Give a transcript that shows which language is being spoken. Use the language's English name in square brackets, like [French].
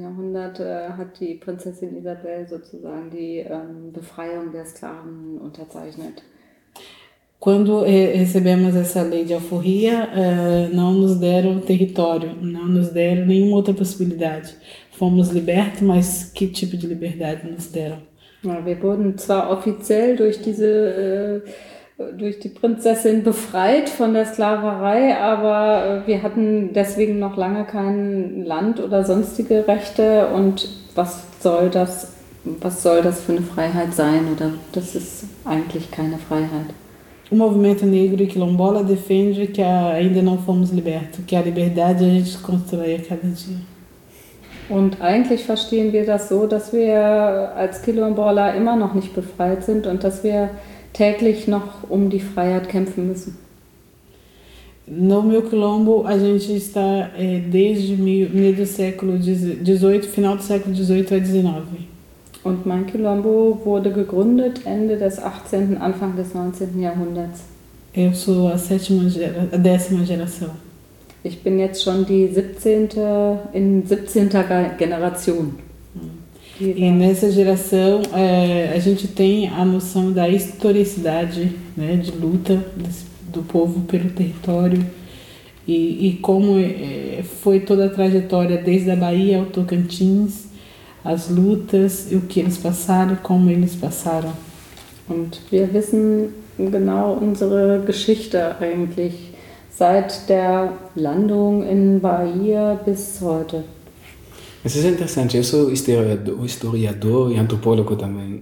[German] Jahrhundert hat die Prinzessin Isabel sozusagen die Befreiung der Sklaven unterzeichnet. [Portuguese] Quando recebemos essa lei de alforria, não nos deram território, não nos deram nenhuma outra possibilidade. Fomos libertos, mas que tipo de liberdade nos deram? [German] Wir wurden zwar offiziell durch diese durch die Prinzessin befreit von der Sklaverei, aber wir hatten deswegen noch lange kein Land oder sonstige Rechte. Und was soll das für eine Freiheit sein? Oder das ist eigentlich keine Freiheit. [Portuguese] O movimento negro e quilombola defende que ainda não fomos libertos, que a liberdade a gente constrói a cada dia. [German] Und eigentlich verstehen wir das so, dass wir als Quilombola immer noch nicht befreit sind und dass wir täglich noch um die Freiheit kämpfen müssen. [Portuguese] No meu quilombo, a gente está desde meio do século XVIII, final do século XVIII a XIX. [German] Und mein Quilombo wurde gegründet Ende des 18. Anfang des 19. Jahrhunderts. [Portuguese] Eu sou a sétima, a décima geração. [German] Ich bin jetzt schon die 17. in 17. Generation. [Portuguese] E nessa geração a gente tem a noção da historicidade, né, de luta do povo pelo território e como foi toda a trajetória desde a Bahia ao Tocantins, as lutas e o que eles passaram, como eles passaram. [German] Und wir wissen genau unsere Geschichte eigentlich seit der Landung in Bahia bis heute. [Portuguese] Isso é interessante. Eu sou historiador e antropólogo também.